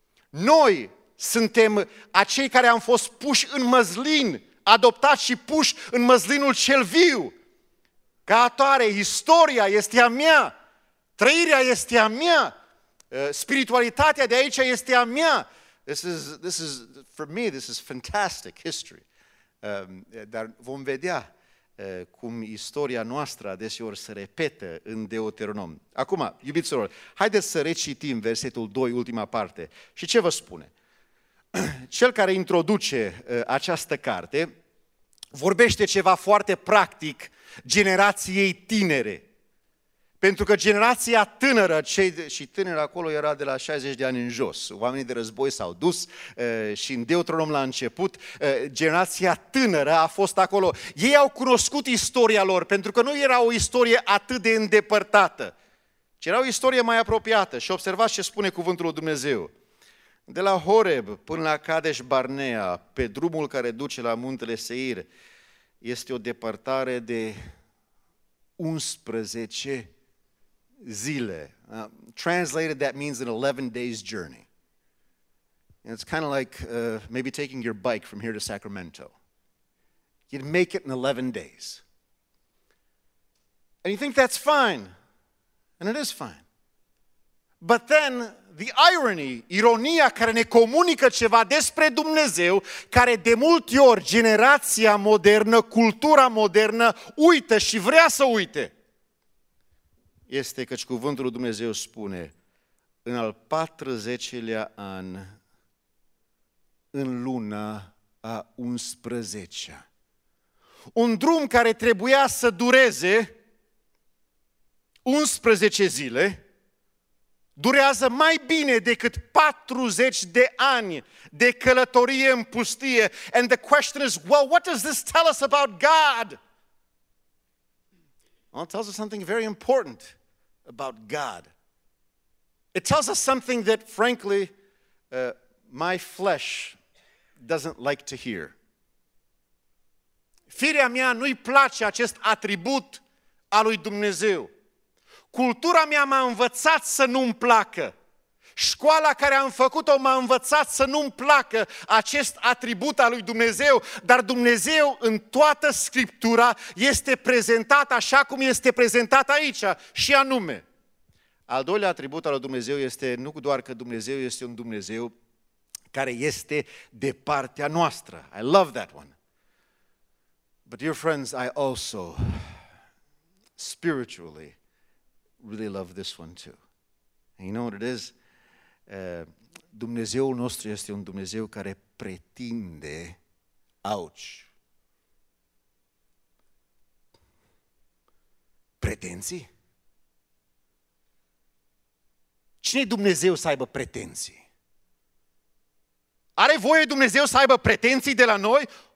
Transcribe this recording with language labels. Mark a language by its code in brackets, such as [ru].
[ro] Noi suntem acei care am fost puși în măslin, adoptat și puși în măslinul cel viu. Ca atare, istoria este a mea, trăirea este a mea, spiritualitatea de aici este a mea. [en] This is for me, this is fantastic history. [ro] Dar vom vedea cum istoria noastră adeseori se repetă în Deuteronom. Acum, iubiților, haideți să recitim versetul 2, ultima parte. Și ce vă spune? Cel care introduce această carte vorbește ceva foarte practic generației tinere. Pentru că generația tânără, și tânăr acolo era de la 60 de ani în jos, oamenii de război s-au dus și în Deuteronom la început, generația tânără a fost acolo. Ei au cunoscut istoria lor, pentru că nu era o istorie atât de îndepărtată, ci era o istorie mai apropiată. Și observați ce spune cuvântul lui Dumnezeu. De la Horeb până la Kadesh Barnea, pe drumul care duce la muntele Seir, este o depărtare de 11 zile. [en] Translated, that means an 11 days journey. And it's kind of like maybe taking your bike from here to Sacramento. You'd make it in 11 days. And you think that's fine. And it is fine. But then, the irony, [ro] ironia care ne comunică ceva despre Dumnezeu, care de multe ori generația modernă, cultura modernă, uită și vrea să uite, este că cuvântul lui Dumnezeu spune, în al 40-lea an, în luna a 11-a, un drum care trebuia să dureze 11 zile, durează mai bine decât 40 de ani de călătorie în pustie. [en] And the question is, well, what does this tell us about God? Well, it tells us something very important about God. It tells us something that, frankly, my flesh doesn't like to hear. [ro] Firea mea nu-i place acest atribut al lui Dumnezeu. Cultura mea m-a învățat să nu-mi placă. Școala care am făcut-o m-a învățat să nu-mi placă acest atribut al lui Dumnezeu. Dar Dumnezeu în toată Scriptura este prezentat așa cum este prezentat aici. Și anume, Al doilea atribut al lui Dumnezeu este nu doar că Dumnezeu este un Dumnezeu care este de partea noastră. [en] I love that one. But dear friends, I also spiritually really love this one too. And you know what it is? [ro] Dumnezeul nostru este un Dumnezeu care pretinde, ouch, pretenții? Cine Dumnezeu să aibă pretenții? Are voie Dumnezeu să aibă pretenții de la noi?